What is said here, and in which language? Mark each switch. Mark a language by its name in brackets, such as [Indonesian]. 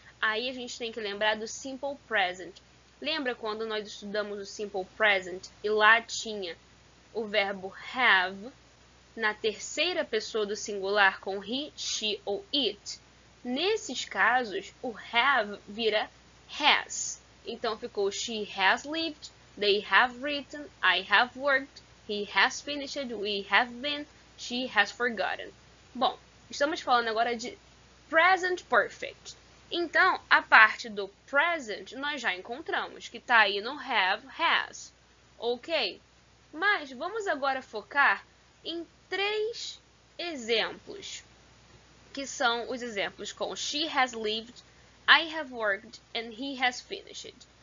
[Portuguese] Aí a gente tem que lembrar do simple present. Lembra quando nós estudamos o simple present e lá tinha o verbo have na terceira pessoa do singular com he, she ou it? Nesses casos, o have vira has. Então, ficou [English] she has lived, they have written, I have worked, he has finished, we have been, she has forgotten. [Portuguese] Bom, estamos falando agora de present perfect. Então, a parte do present nós já encontramos, que está aí no have, has. Ok? Mas vamos agora focar em 3 exemplos, que são os exemplos com [English] she has lived, I have worked, and he has finished.